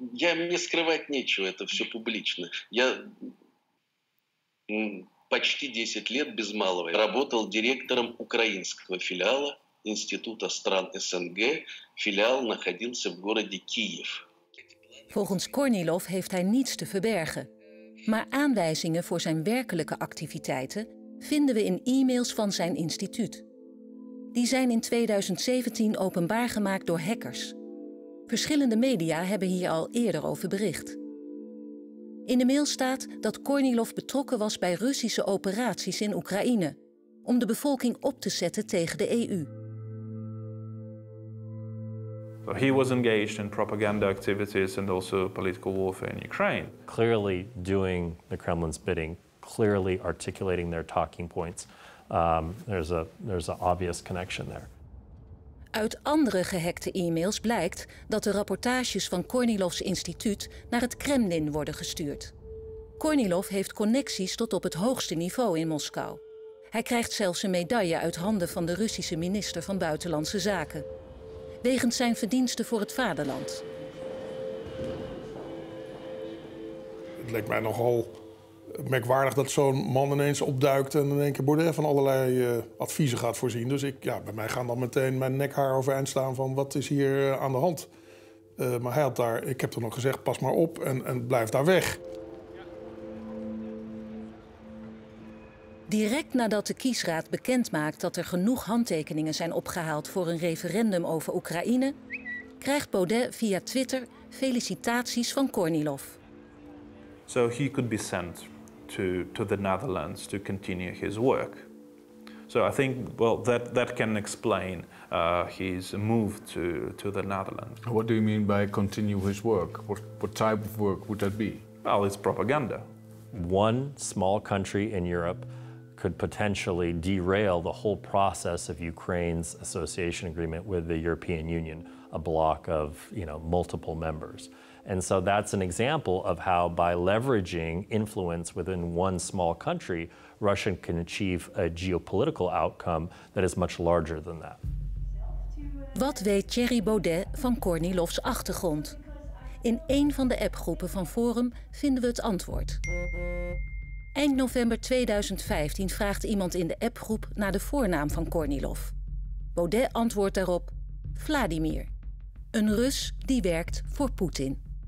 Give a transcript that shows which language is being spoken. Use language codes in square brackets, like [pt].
[ru] Я мне скрывать нечего, это все публично. Я почти 10 лет без малого работал директором украинского филиала Института стран СНГ. Филиал находился в городе Киев. [nl] Volgens Kornilov heeft hij niets te verbergen. Maar aanwijzingen voor zijn werkelijke activiteiten vinden we in e-mails van zijn instituut. Die zijn in 2017 openbaar gemaakt door hackers. Verschillende media hebben hier al eerder over bericht. In de mail staat dat Kornilov betrokken was bij Russische operaties in Oekraïne om de bevolking op te zetten tegen de EU. [en] So he was engaged in propaganda activities and also political warfare in Ukraine. Clearly doing the Kremlin's bidding, clearly articulating their talking points. There's an obvious connection there. [nl] Uit andere gehackte e-mails blijkt dat de rapportages van Kornilovs instituut naar het Kremlin worden gestuurd. Kornilov heeft connecties tot op het hoogste niveau in Moskou. Hij krijgt zelfs een medaille uit handen van de Russische minister van Buitenlandse Zaken. Wegens zijn verdiensten voor het vaderland. Het leek mij nogal merkwaardig dat zo'n man ineens opduikt en in één keer Baudet van allerlei adviezen gaat voorzien. Dus bij mij gaan dan meteen mijn nekhaar overeind staan van wat is hier aan de hand. Maar hij had daar, ik heb toen nog gezegd, pas maar op en blijf daar weg. Direct nadat de kiesraad bekend maakt dat er genoeg handtekeningen zijn opgehaald voor een referendum over Oekraïne, krijgt Baudet via Twitter felicitaties van Kornilov. [en] So he could be sent to the Netherlands to continue his work. So I think, well, that can explain his move to the Netherlands. What do you mean by continue his work? What type of work would that be? Well, it's propaganda. One small country in Europe could potentially derail the whole process of Ukraine's association agreement with the European Union, a bloc of, you know, multiple members. And so that's an example of how, by leveraging influence within one small country, Russia can achieve a geopolitical outcome that is much larger than that. [nl] Wat weet Thierry Baudet van Kornilov's achtergrond? In een van de appgroepen van Forum vinden we het antwoord. Eind november 2015 vraagt iemand in de appgroep naar de voornaam van Kornilov. Baudet antwoordt daarop: Vladimir. Een Rus die werkt voor Poetin.